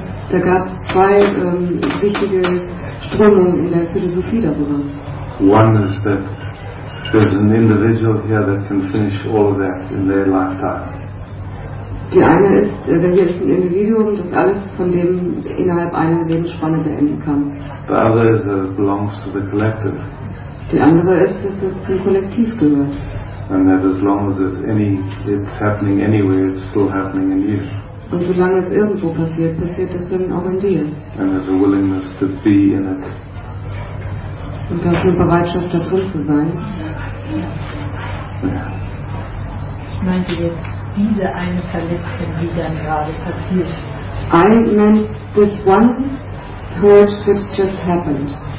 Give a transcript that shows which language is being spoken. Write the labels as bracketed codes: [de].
[de] Da gab es zwei wichtige Strömungen in der Philosophie darüber. [en] One is that there's an individual here that can finish all of that in their lifetime. [de] Die eine ist, hier ist ein Individuum, das alles von dem innerhalb einer Lebensspanne beenden kann. [en] The other is that it belongs to the collective. [de] Die andere ist, dass es zum Kollektiv gehört. [en] And that as long as it's happening anywhere, it's still happening in you. [de] Und solange es irgendwo passiert, passiert es dann auch in dir. [en] And there's a willingness to be in it. [de] Und da ist eine Bereitschaft, da drin zu sein. Ich meinte jetzt diese eine Verletzung, die dann gerade passiert. [en] I meant this one hurt which just happened.